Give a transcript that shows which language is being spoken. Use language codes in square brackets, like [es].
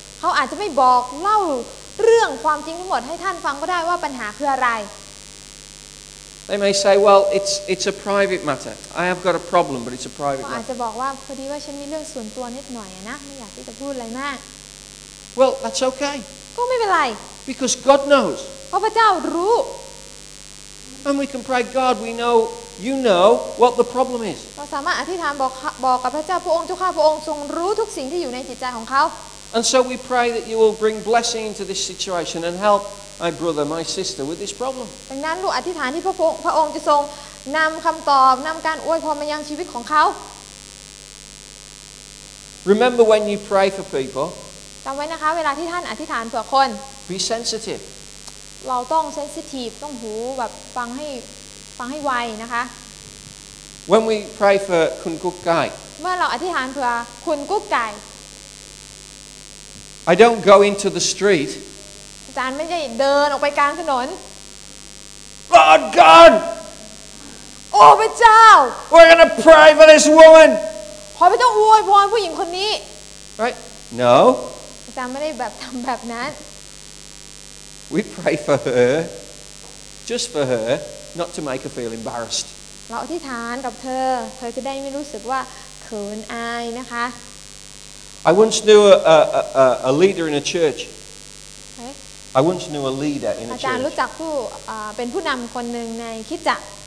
[th] เขาอาจจะไม่บอกเล่าเรื่องความจริงทั้งหมดให้ท่านฟังก็ได้ว่าปัญหาคืออะไร [en] They may say, "Well, it's a private matter. I have got a problem, but it's a private matter." [th] อาจจะบอกว่าพอดีว่าฉันมีเรื่องส่วนตัวนิดหน่อยนะไม่อยากที่จะพูดอะไรมาก [en] Well, that's okay. [th] ก็ไม่เป็นไร [en] Because God knows. [th] เพราะพระเจ้ารู้ [en] And we can pray, God. We know you know what the problem is. [th] เราสามารถอธิษฐานบอกกับพระเจ้าพระองค์เจ้าข้าพระองค์ทรงรู้ทุกสิ่งที่อยู่ในจิตใจของเขา [en] And so we pray that you will bring blessing into this situation and help my brother, my sister with this problem. [th] ดังนั้นเราอธิษฐานที่พระองค์จะทรงนำคำตอบนำการอวยพรมายังชีวิตของเขา [en] Remember when you pray for people. [th] จำไว้นะคะเวลาที่ท่านอธิษฐานเผื่อคน [en] Be sensitive. [th] เราต้อง sensitive ต้องหูแบบฟังให้ไวนะคะ [en] When we pray for คุณกุ๊กไก่ [th] เมื่อเราอธิษฐานเผื่อคุณกุ๊กไก่ [en] I don't go into the street. [th] อาจารย์ไม่ได้เดินออกไปกลางถนน [en] God, God. [th] Oh, พระเจ้า [en] We're going to pray for this woman. [th] ขอพระเจ้าอวยพรผู้หญิงคนนี้ [en] Right? No. [th] อาจารย์ไม่ได้แบบทำแบบนั้น [en] We pray for her, just for her, not to make her feel embarrassed. [th] เราอธิษฐานกับเธอจะได้ไม่รู้สึกว่าเขินอายนะคะ [en] I once knew a leader in a church. Okay. I once knew a leader in a church. [th] อาจารย์รู้จักผู้เป็นผู้นำคนหนึ่งในคริสตจักร